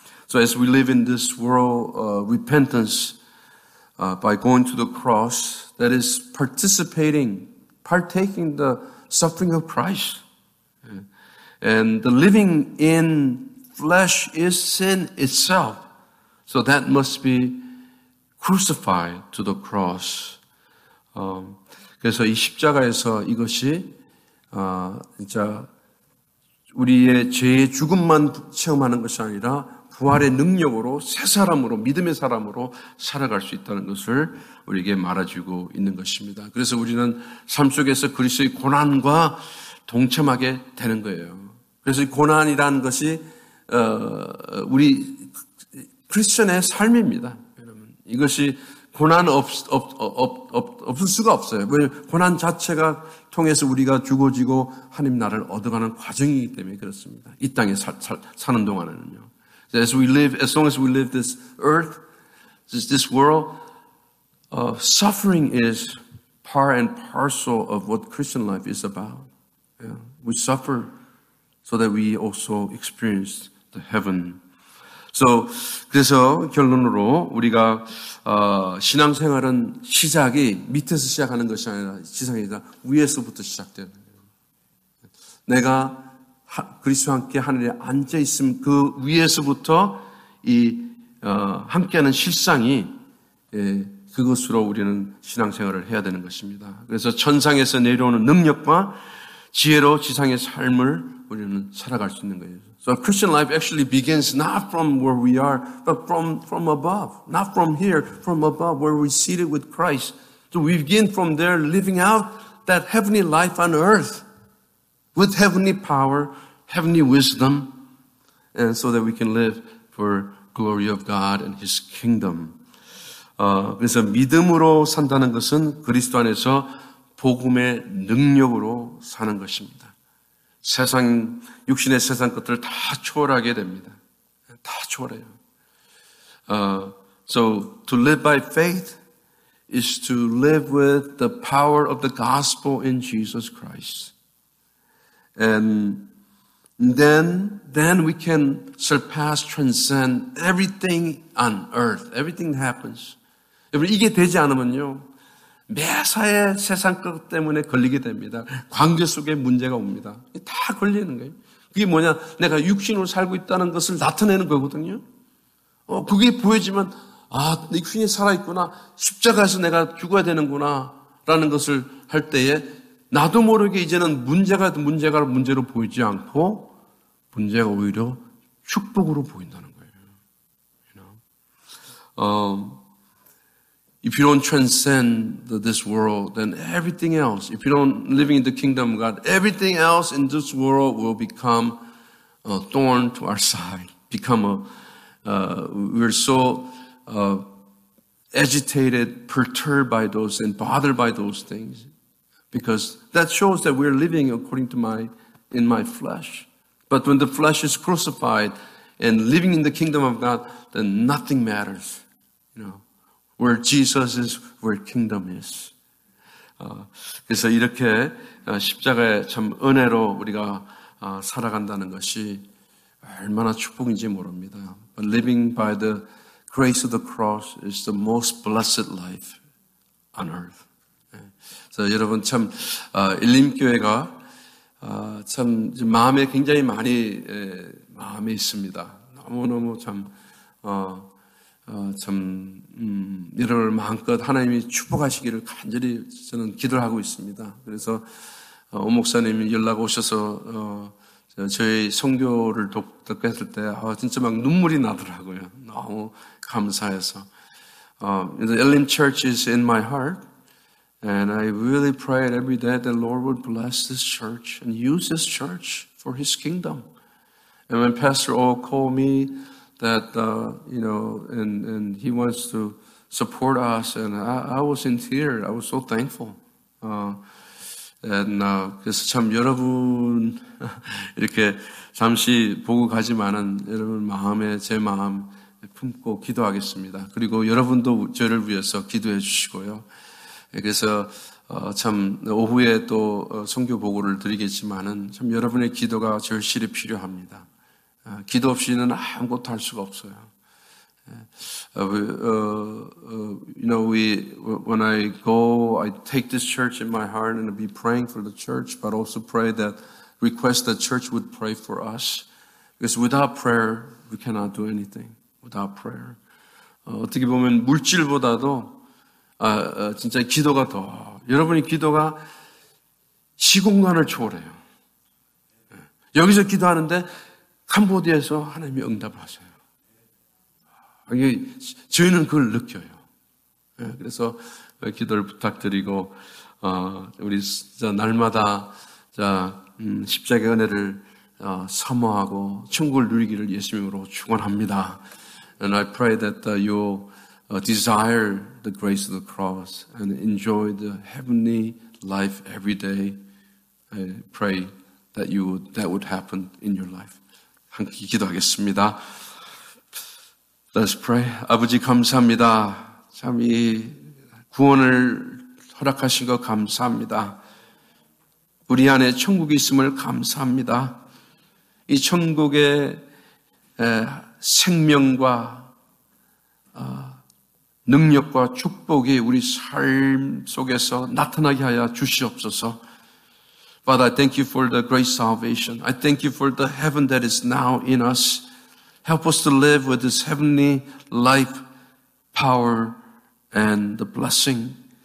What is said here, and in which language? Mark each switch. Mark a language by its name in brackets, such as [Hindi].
[English] So as we live in this world, repentance by going to the cross, that is partaking the suffering of Christ. And the living in flesh is sin itself. So that must be crucified to the cross. [Korean] 그래서 이 십자가에서 이것이, 진짜, 우리의 죄의 죽음만 체험하는 것이 아니라, 부활의 능력으로, 새 사람으로, 믿음의 사람으로 살아갈 수 있다는 것을 우리에게 말해주고 있는 것입니다. 그래서 우리는 삶 속에서 그리스도의 고난과 동참하게 되는 거예요. 그래서 이 고난이라는 것이 우리 크리스천의 삶입니다. 여러분, 이것이 고난 없을 수가 없어요. 왜냐하면 고난 자체가 통해서 우리가 죽어지고 하나님 나라를 얻어가는 과정이기 때문에 그렇습니다. 이 땅에 사는 동안에는요. [English] As long as we live this earth, this world, suffering is part and parcel of what Christian life is about. Yeah. We suffer so that we also experience the heaven. [Korean] So, 그래서 결론으로 우리가, 신앙생활은 시작이 밑에서 시작하는 것이 아니라 지상이 아니라 위에서부터 시작되는 거예요. 내가 그리스도와 함께 하늘에 앉아 있음 그 위에서부터 이 함께하는 실상이 예, 그것으로 우리는 신앙생활을 해야 되는 것입니다. 그래서 천상에서 내려오는 능력과 지혜로 지상의 삶을 우리는 살아갈 수 있는 거예요. [English] So Christian life actually begins not from where we are, but from above, not from here, from above where we're seated with Christ. So we begin from there, living out that heavenly life on earth. With heavenly power, heavenly wisdom, and so that we can live for glory of God and His kingdom. [Korean] 그래서 믿음으로 산다는 것은 그리스도 안에서 복음의 능력으로 사는 것입니다. 세상, 육신의 세상 것들을 다 초월하게 됩니다. 다 초월해요. [English] So to live by faith is to live with the power of the gospel in Jesus Christ. And then we can surpass, transcend everything on earth. Everything happens. [Korean] 여러분, 이게 되지 않으면요. 매사에 세상 것 때문에 걸리게 됩니다. 관계 속에 문제가 옵니다. 다 걸리는 거예요. 그게 뭐냐. 내가 육신으로 살고 있다는 것을 나타내는 거거든요. 그게 보여지면, 아, 육신이 살아있구나. 십자가에서 내가 죽어야 되는구나. 라는 것을 할 때에, 나도 모르게 이제는 문제가 문제로 보이지 않고 문제가 오히려 축복으로 보인다는 거예요. [English] You know? If you don't transcend this world, then everything else, if you don't living in the kingdom of God, everything else in this world will become a thorn to our side. We're so agitated, perturbed by those and bothered by those things. Because that shows that we're living according to my flesh. But when the flesh is crucified and living in the kingdom of God, then nothing matters. You know, where Jesus is, where kingdom is. [Korean] 그래서 이렇게 십자가에 참 은혜로 우리가 살아간다는 것이 얼마나 축복인지 모릅니다. [English] But living by the grace of the cross is the most blessed life on earth. [Korean] 여러분 참 일림교회가 참 마음에 굉장히 많이 마음에 있습니다. 너무너무 참, 이럴 마음껏 하나님이 축복하시기를 간절히 저는 기도를 하고 있습니다. 그래서, 오 목사님이 연락 오셔서, 저희 선교를 돕게 했을 때, 진짜 막 눈물이 나더라고요. 너무 감사해서. [English] LM Church is in my heart. And I really pray every day that the Lord would bless this church and use this church for His kingdom. And when Pastor O called me that, and he wants to support us, and I was in tears. I was so thankful. [Korean] And 그래서 참 여러분, 이렇게 잠시 보고 가지만은 여러분 마음에 제 마음 품고 기도하겠습니다. 그리고 여러분도 저를 위해서 기도해 주시고요. 그래서 참 오후에 또 선교 보고를 드리겠지만은 참 여러분의 기도가 절실히 필요합니다. 기도 없이는 아무것도 할 수가 없어요. [English] When I go, I take this church in my heart and be praying for the church, but also pray that request the church would pray for us. Because without prayer, we cannot do anything. Without prayer, [Korean] 어떻게 보면 물질보다도 진짜 기도가 더, 여러분의 기도가 시공간을 초월해요. 여기서 기도하는데 캄보디아에서 하나님이 응답을 하세요. 저희는 그걸 느껴요. 그래서 기도를 부탁드리고 우리 진짜 날마다 십자가의 은혜를 사모하고 천국을 누리기를 예수님으로 축원합니다. [English] And I pray that desire the grace of the cross and enjoy the heavenly life every day. I pray that that would happen in your life. [Korean] 함께 기도하겠습니다. [English] Let's pray. [Korean] 아버지 감사합니다. 참 이 구원을 허락하신 거 감사합니다. 우리 안에 천국이 있음을 감사합니다. 이 천국의 생명과 능력과 축복이 우리 삶 속에서 나타나게 하여 주시옵소서. [English] But I thank you for the great salvation. I thank you for the heaven that is now in us. Help us to live with this heavenly life, power, and the blessing.